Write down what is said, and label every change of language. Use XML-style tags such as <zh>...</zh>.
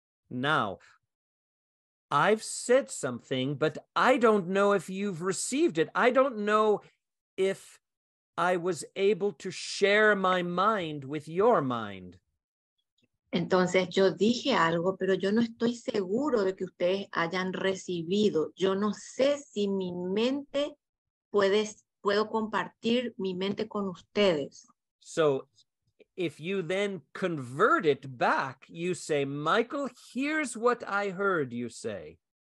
<en>Now, I've said something, but I don't know if you've received it. I don't know if I was able to share my mind with your mind.</en> <es>Entonces yo dije algo, pero yo no estoy seguro de que ustedes hayan recibido. Yo no sé si mi mente puedo compartir mi mente con ustedes.</es> <en>So if you then convert it back, you say, Michael, here's what I heard you say.</en>